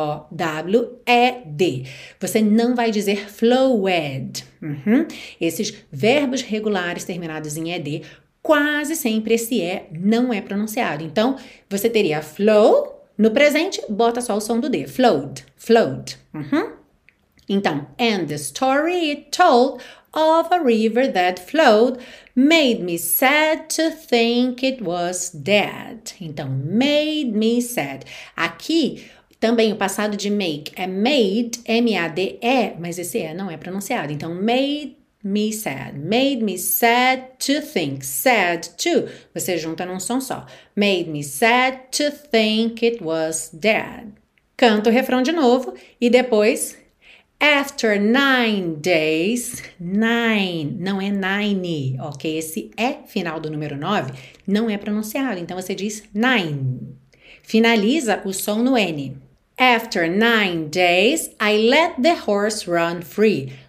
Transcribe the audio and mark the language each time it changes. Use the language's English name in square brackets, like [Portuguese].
[Portuguese] Flowed. Você não vai dizer flowed. Esses verbos regulares terminados em ed, quase sempre esse E não é pronunciado. Então, você teria flow no presente, bota só o som do D. [English] Flowed, flowed. Então, and the story it told of a river that flowed made me sad to think it was dead. Então, made me sad. [Portuguese] Aqui, também o passado de make é made, M-A-D-E, mas esse E não é pronunciado. [English] Então, made me sad to think, sad to, [Portuguese] você junta num som só, [English] made me sad to think it was dead. [Portuguese] Canta o refrão de novo e depois, [English] after 9 days, [Portuguese] nine, não é nine, ok? Esse é final do número 9, não é pronunciado, então você diz nine, finaliza o som no N. [English] After 9 days, I let the horse run free.